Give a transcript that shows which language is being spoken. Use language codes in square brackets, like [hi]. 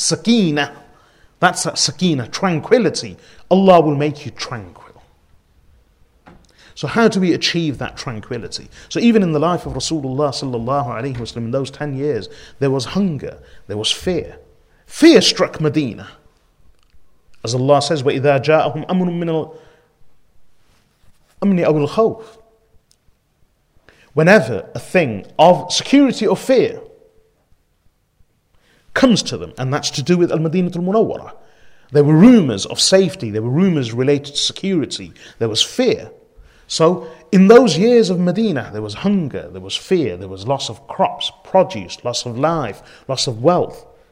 [en] Sakina, that's that Sakina, tranquility. Allah will make you tranquil. So how do we achieve that tranquility? So even in the life of Rasulullah sallallahu alaihi wasallam, in those 10 years, there was hunger, there was fear. Fear struck Medina. As Allah says, [ar] وَإِذَا جَاءَهُمْ أَمْنٌ مِّنَ الْأَمْنِ أَوْ الْخَوْفِ. [en] Whenever a thing of security or fear comes to them, and that's to do with Al-Madinah al-Munawwarah, there were rumors of safety, there were rumors related to security, there was fear. So in those years of Medina, there was hunger, there was fear, there was loss of crops, produce, loss of life, loss of wealth.